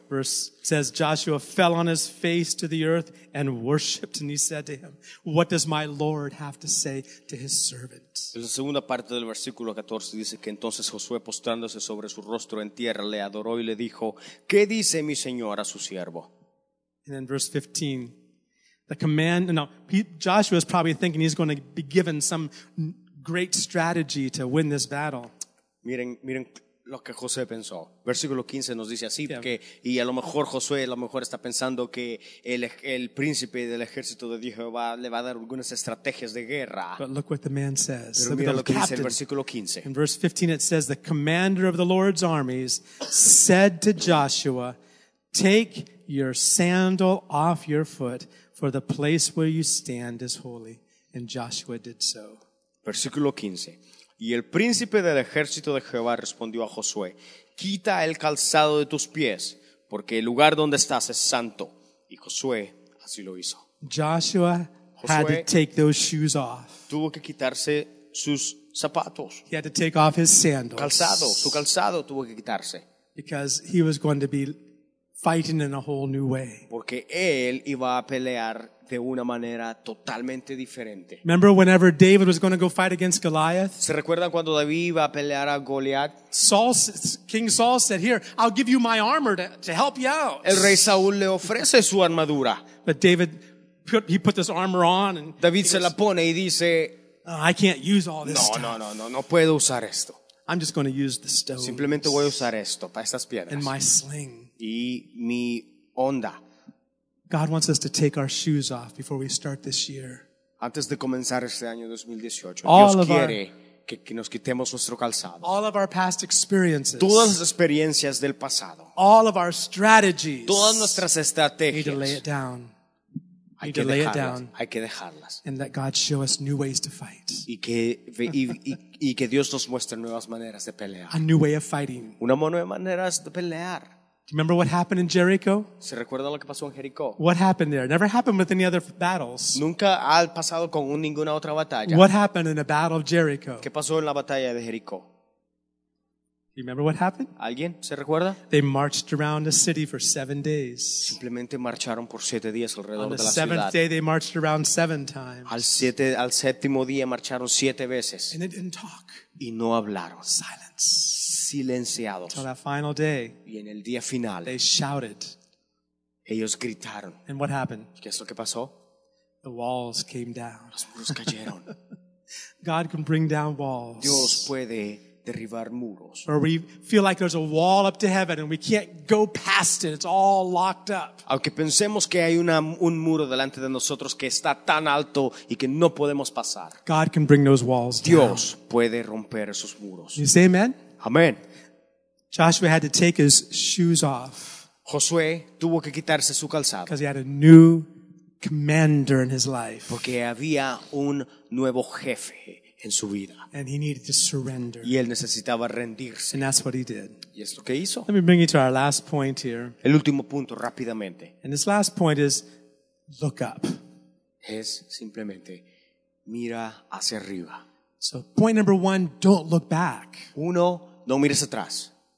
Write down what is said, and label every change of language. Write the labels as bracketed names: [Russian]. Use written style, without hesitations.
[English] Verse says, Joshua fell on his face to the earth and worshipped, and he said to him, what does my Lord have to say to his servant? [Spanish] La segunda parte del versículo 14 dice que entonces Josué, postrándose sobre su rostro en tierra, le adoró y le dijo, ¿qué dice mi Señor a su siervo? [English] And then verse 15, the command, no, Joshua is probably thinking he's going to be given some great strategy to win this battle. [Spanish] Miren lo que José pensó. Versículo 15 nos dice así, porque, y a lo mejor Josué a lo mejor está pensando que el príncipe del ejército de Jehová le va a dar algunas estrategias de guerra. [English] But look what the man says. [Spanish] Pero [English] look [Spanish] mira [English] the captain. [Spanish] Lo que dice el versículo 15. [English] In verse 15 it says, the commander of the Lord's armies said to Joshua, take your sandal off your foot, for the place where you stand is holy. And Joshua did so. [Spanish] Versículo 15. Y el príncipe del ejército de Jehová respondió a Josué, quita el calzado de tus pies, porque el lugar donde estás es santo. Y Josué así lo hizo. [English] Joshua had to take those shoes off. [Spanish] Tuvo que quitarse sus zapatos. [English] He had to take off his sandals. [Spanish] Calzado, su calzado tuvo que quitarse. [English] Because he was going to be fighting in a whole new way. [Spanish] Porque él iba a pelear de una manera totalmente diferente. [English] Remember whenever David was going to go fight against Goliath? [Spanish] ¿Se recuerdan cuando David iba a pelear a Goliath? [English] King Saul said, "Here, I'll give you my armor to help you out." [Spanish] El rey Saúl le ofrece su armadura. [English] But David put this armor on and [Spanish] David se la pone y dice, [English] "Oh, I can't use all this stuff. [Spanish] No puedo usar esto. [English] I'm just going to use the stones. [Spanish] Simplemente voy a usar esto, para estas piedras. [English] And my sling. [Spanish] Y mi onda." [English] God wants us to take our shoes off before we start this year. [Spanish] Antes de comenzar este año 2018, Dios quiere que nos quitemos nuestro calzado. [English] All of our past experiences. [Spanish] Todas las experiencias del pasado. [English] All of our strategies. [Spanish] Todas nuestras estrategias. [English] We need to lay it down. [Spanish] Hay que [English] lay it down. [Spanish] Hay que dejarlas. [English] And let God show us new ways to fight. [Spanish] Y que Dios nos muestre nuevas maneras de pelear. [English] A new way of fighting. [Spanish] Una nueva manera de pelear. [English] Remember what happened in Jericho? [Spanish] ¿Se recuerda lo que pasó en Jericó? [English] What happened there? Never happened with any other battles. [Spanish] Nunca ha pasado con ninguna otra batalla. [English] What happened in the battle of Jericho? [Spanish] ¿Qué pasó en la batalla de Jericó? [English] Remember what happened? [Spanish] ¿Alguien se recuerda? [English] They marched around the city for 7 days. [Spanish] Simplemente marcharon por 7 días alrededor de la ciudad. [English] On the seventh day, they marched around 7 times. [Spanish] Al séptimo día marcharon 7 veces. [English] And they didn't talk. [Spanish] Y no hablaron. [English] Silence. [Spanish] Silenciados. [English] Until that final day, [Spanish] y en el día final, [English] they shouted. [Spanish] Ellos gritaron. [English] And what happened? [Spanish] ¿Qué es lo que pasó? [English] The walls came down. [Spanish] Los muros cayeron. [English] God can bring down walls. [Spanish] Dios puede derribar muros. [English] Or we feel like there's a wall up to heaven and we can't go past it. It's all locked up. [Spanish] Aunque pensemos que hay un muro delante de nosotros que está tan alto y que no podemos pasar. [English] God can bring those walls down. [Spanish] Dios puede romper esos muros. [English] You say amen? [Spanish] Amen. [English] Joshua had to take his shoes off. [Spanish] Josué tuvo que quitarse su calzado. [English] Because he had a new commander in his life. [Spanish] Porque había un nuevo jefe en su vida. [English] And he needed to surrender. [Spanish] Y él necesitaba rendirse. [English] And that's what he did. [Spanish] Y es lo que hizo. [English] Let me bring you to our last point here. [Spanish] El último punto rápidamente. [English] And this last point is, look up. [Spanish] Es simplemente, mira hacia arriba. [English] So point number one, don't look back. [Spanish] Uno, no mires atrás.